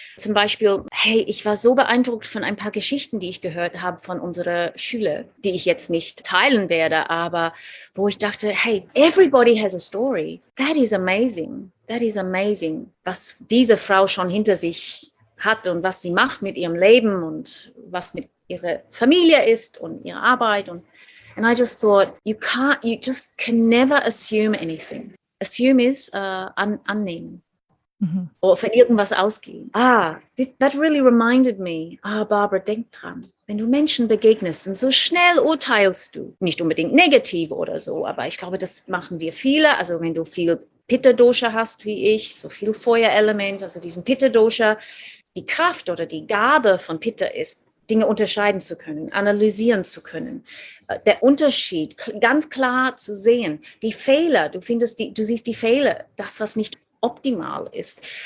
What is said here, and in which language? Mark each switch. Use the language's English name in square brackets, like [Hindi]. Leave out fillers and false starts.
[German] Zum Beispiel, hey, ich war so beeindruckt von ein paar Geschichten, die ich gehört habe von unserer Schüler, die ich jetzt nicht teilen werde, aber wo ich dachte, [English] hey, everybody has a story. That is amazing, [German] was diese Frau schon hinter sich hat und was sie macht mit ihrem Leben und was mit ihre Familie ist und ihre Arbeit. [English] And I just thought, you just can never assume anything. Assume is annehmen. Mm-hmm. [German] Oder von irgendwas ausgehen. [English] Ah, that really reminded me. [German] Ah, Barbara, denk dran. Wenn du Menschen begegnest und so schnell urteilst du, nicht unbedingt negativ oder so, aber ich glaube, das machen wir viele. Also wenn du viel Pitta-Dosha hast wie ich, so viel Feuerelement, also diesen Pitta-Dosha, die Kraft oder die Gabe von Pitta ist, Dinge unterscheiden zu können, analysieren zu können, der Unterschied ganz klar zu sehen, die Fehler, du siehst die Fehler, das, was nicht optimal ist.